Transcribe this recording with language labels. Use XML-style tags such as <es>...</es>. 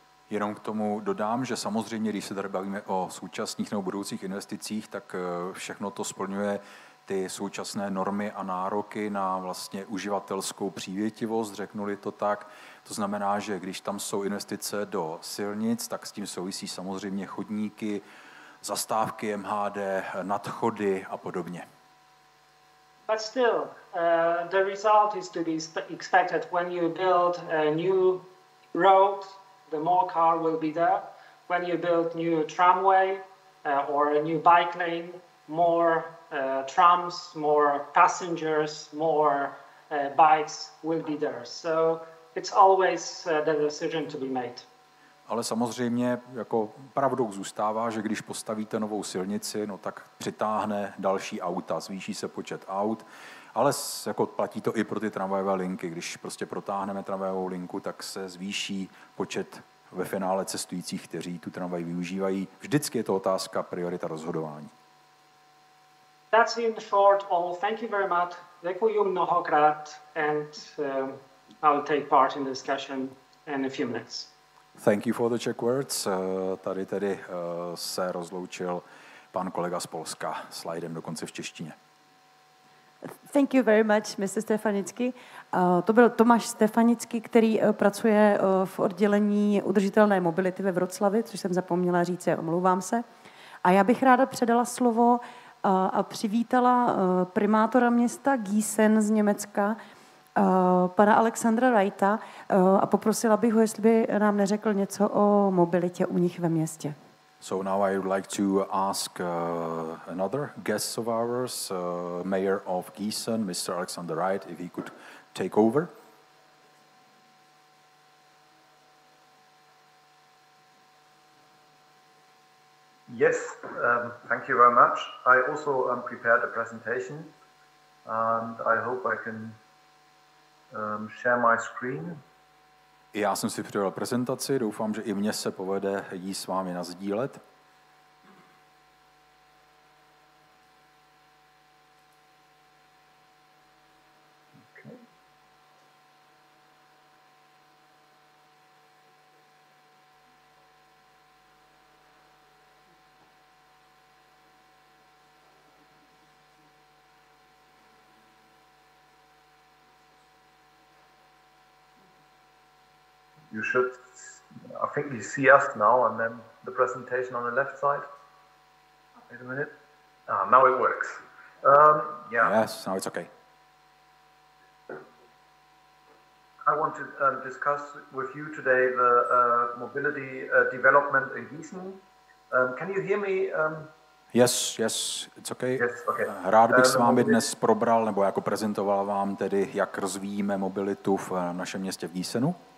<cs>Jenom k tomu dodám, že samozřejmě, když se tady bavíme o současných nebo budoucích investicích, tak všechno to splňuje ty současné normy a nároky na vlastně uživatelskou přívětivost, řeknu-li to tak. To znamená, že když tam jsou investice do silnic, tak s tím souvisí samozřejmě chodníky, zastávky MHD, nadchody a podobně.</cs> <en>But still, the result is to be expected when you build a new road. The more car will be there. When you build new tramway or a new bike lane, more trams, more passengers, more bikes will be there. So it's always the decision to be made.</en> <cs>Ale samozřejmě jako pravdou zůstává, že když postavíte novou silnici, no tak přitáhne další auta, zvýší se počet aut. Ale jako platí to i pro ty tramvajové linky. Když prostě protáhneme tramvajovou linku, tak se zvýší počet ve finále cestujících, kteří tu tramvaj využívají. Vždycky je to otázka priorita rozhodování.</cs> <en>That's in short all. Thank you very much.</en> <cs>Děkuji mnohokrát</cs> <en>and I'll take part in the discussion in a few minutes. Thank you for the Czech words.</en> <cs>Tady tedy se rozloučil pan kolega z Polska slidem dokonce v češtině.</cs> <en>Thank you very much, Mr. Stefanický.</en> <cs>To byl Tomáš Stefanický, který pracuje v oddělení udržitelné mobility ve Vroclavi, což jsem zapomněla říct, omlouvám se. A já bych ráda předala slovo a přivítala primátora města Gießen z Německa, pana Alexandra Reita, a poprosila bych ho, jestli by nám neřekl něco o mobilitě u nich ve městě.</cs> <en>So now I would like to ask another guest of ours, Mayor of Gießen, Mr. Alexander Reit, if he could take over. Yes, thank you very much. I also prepared a presentation, and I hope I can share my screen.</en> <cs>Já jsem si připravil prezentaci, doufám, že i mně se povede jí s vámi nasdílet.</cs> <en>You should, I think you see us now and then the presentation on the left side. Wait a minute. Ah, now it works. Yes, now it's okay. I want to discuss with you today the mobility development in Gießen. Can you hear me? Yes, yes, it's okay. Yes, okay.</en> <cs>Rád bych s vámi dnes probral, nebo jako prezentoval vám tedy, jak rozvíjíme mobilitu v našem městě v Gießenu.</cs>